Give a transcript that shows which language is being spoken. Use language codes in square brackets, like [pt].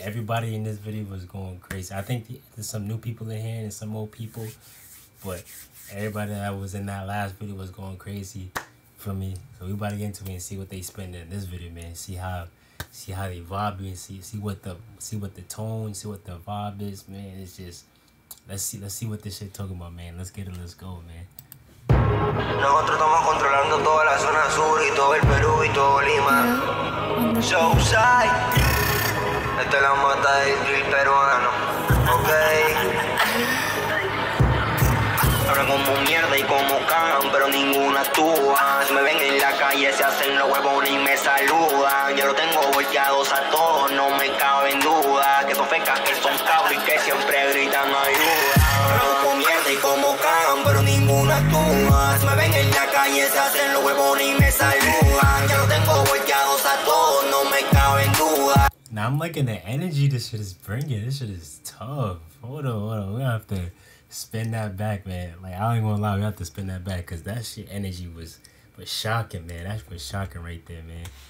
[en] Everybody in this video was going crazy. I think there's some new people in here and some old people, but everybody that was in that last video was going crazy for me. So we about to get into it and see what they spend in this video, man. See how they vibe and see what the tone, see what the vibe is, man. It's just let's see what this shit talking about, man. Let's go, man. [es] Nosotros estamos controlando toda la zona sur y todo el Perú y todo Lima. Southside. Esta es la mata del drill peruano. Okay. Ahora como mierda y como can, pero ninguna actúa. Si me ven en la calle se hacen los huevos y me saludan. Ya lo tengo volteados a todos, no me caben duda. Que son fecas, que son cabros y que siempre gritan ayuda. Ahora como mierda y como can, pero ninguna actúa. Si me ven en la calle se hacen los huevos y me saludan. Ya lo tengo volteados a todos, no me caben duda. [en] Now I'm liking the energy this shit is bringing. This shit is tough. Hold on. We have to spin that back, man. Like, I ain't gonna lie, we have to spin that back because that shit energy was shocking, man. That was shocking right there, man.